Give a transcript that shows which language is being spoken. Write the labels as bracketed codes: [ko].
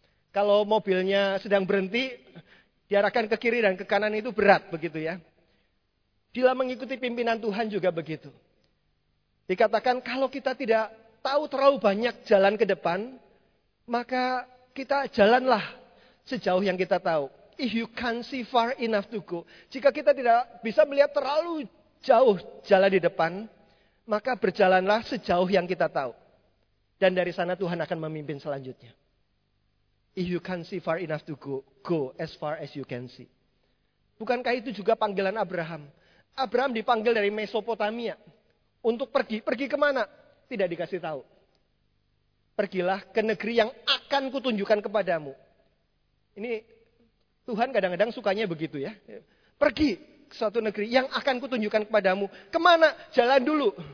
[id] Kalau mobilnya sedang berhenti, diarahkan ke kiri dan ke kanan itu berat begitu ya. Dalam mengikuti pimpinan Tuhan juga begitu. Dikatakan kalau kita tidak tahu terlalu banyak jalan ke depan, maka kita jalanlah sejauh yang kita tahu. [en] If you can't see far enough to go. [id] Jika kita tidak bisa melihat terlalu jauh jalan di depan, maka berjalanlah sejauh yang kita tahu. Dan dari sana Tuhan akan memimpin selanjutnya. [en] If you can't see far enough to go, go as far as you can see. [id] Bukankah itu juga panggilan Abraham? Abraham dipanggil dari Mesopotamia. Untuk pergi. Pergi kemana? Tidak dikasih tahu. Pergilah ke negeri yang akan kutunjukkan kepadamu. Ini Tuhan kadang-kadang sukanya begitu ya. Pergi ke suatu negeri yang akan kutunjukkan kepadamu. Kemana? Jalan dulu.